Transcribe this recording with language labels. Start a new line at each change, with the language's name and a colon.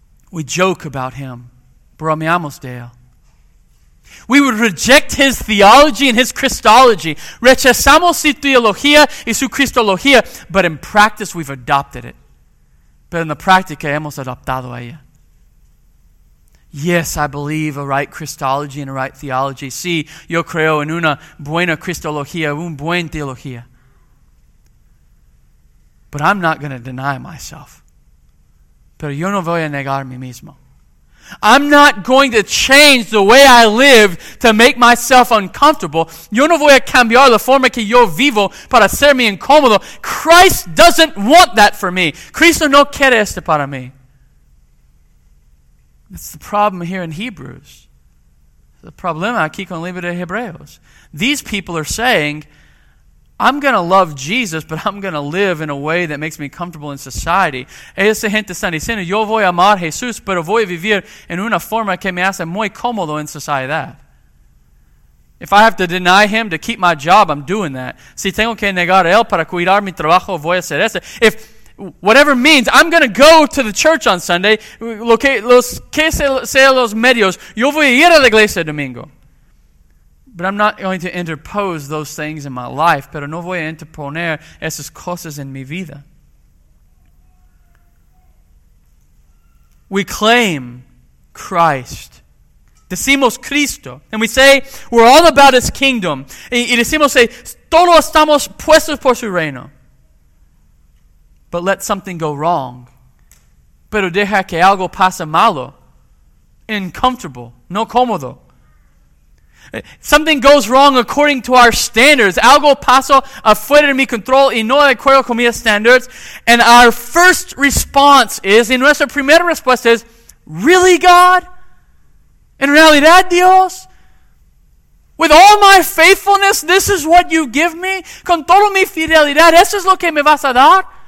English: We joke about him.
Spanish: Bromeamos de él.
English: We would reject his theology and his Christology.
Spanish: Rechazamos su teología y su Cristología,
English: but in practice we've adopted it.
Spanish: Pero en la práctica hemos adoptado ella.
English: Yes, I believe a right Christology and a right theology.
Spanish: Sí, yo creo en una buena Cristología, un buen teología.
English: But I'm not going to deny myself.
Spanish: Pero yo no voy a negar a mí mismo.
English: I'm not going to change the way I live to make myself uncomfortable.
Spanish: Yo no voy a cambiar la forma que yo vivo para hacerme incómodo.
English: Christ doesn't want that for me.
Spanish: Cristo no quiere esto para mí.
English: That's the problem here in Hebrews.
Spanish: The problema aquí con el libro de Hebreos.
English: These people are saying, I'm going to love Jesus, but I'm going to live in a way that makes me comfortable in society.
Spanish: Esa gente está diciendo, yo voy a amar Jesús, pero voy a vivir en una forma que me hace muy cómodo en sociedad.
English: If I have to deny him to keep my job, I'm doing that.
Spanish: Si tengo que negar a él para cuidar mi trabajo, voy a hacer eso.
English: If whatever means, I'm going to go to the church on Sunday,
Spanish: lo que sea los medios, yo voy a ir a la iglesia el domingo.
English: But I'm not going to interpose those things in my life.
Spanish: Pero no voy a interponer esas cosas en mi vida.
English: We claim Christ.
Spanish: Decimos Cristo.
English: And we say, we're all about his kingdom.
Spanish: Y decimos, todos estamos puestos por su reino.
English: But let something go wrong.
Spanish: Pero deja que algo pase malo. Uncomfortable. No cómodo.
English: Something goes wrong according to our standards.
Spanish: Algo pasó afuera de mi control y no de acuerdo con mis standards.
English: And our first response is,
Spanish: y nuestra primera respuesta es,
English: really, God?
Spanish: En realidad, Dios?
English: With all my faithfulness, this is what you give me?
Spanish: Con toda mi fidelidad, ¿eso es lo que me vas a dar?